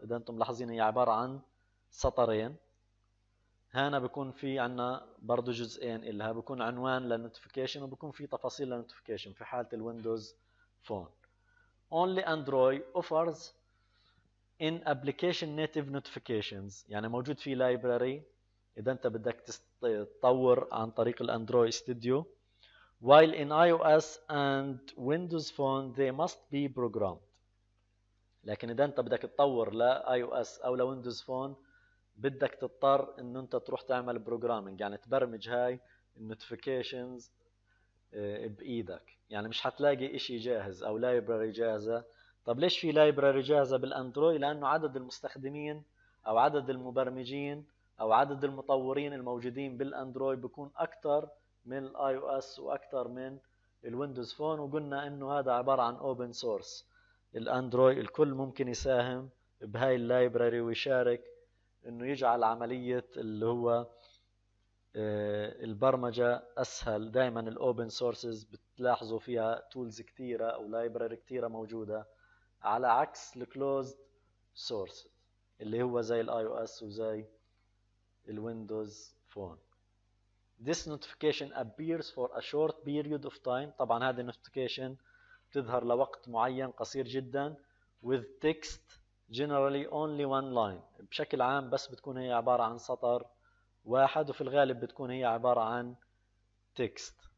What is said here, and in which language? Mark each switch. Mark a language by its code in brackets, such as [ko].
[ar] اذا انتم ملاحظين هي عبارة عن سطرين، هنا بكون في عنا برضو جزئين الها، بكون عنوان للنوتيفيكيشن وبكون في تفاصيل للنوتيفيكيشن في حالة الويندوز فون. [en] Only Android offers in application native notifications، [ar] يعني موجود في library إذا أنت بدك تطور عن طريق الأندرويد ستوديو. [en] While in iOS and Windows Phone they must be programmed. [ar] لكن إذا أنت بدك تطور لـ iOS أو لـ Windows Phone بدك تضطر أنه أنت تروح تعمل programming، يعني تبرمج هاي النوتيفيكيشنز بإيدك، يعني مش حتلاقي إشي جاهز أو لايبراري جاهزة. طب ليش في لايبراري جاهزة بالأندرويد؟ لأنه عدد المستخدمين أو عدد المبرمجين أو عدد المطورين الموجودين بالأندرويد بيكون أكثر من الآي أو إس وأكثر من الويندوز فون، وقلنا إنه هذا عبارة عن أوبن سورس. الأندرويد الكل ممكن يساهم بهاي اللايبراري ويشارك، إنه يجعل عملية اللي هو البرمجة أسهل. دائما الأوبن سورسز بتلاحظوا فيها تولز كتيرة أو لايبراري كتيرة موجودة، على عكس الكلوزد سورس اللي هو زي الاي او اس وزي الويندوز فون. [en] This notification appears for a short period of time. [ar] طبعا هذه النوتيفيكيشن تظهر لوقت معين قصير جدا، [en] with text generally only one line. [ar] بشكل عام بس بتكون هي عبارة عن سطر واحد، وفي الغالب بتكون هي عبارة عن تكست.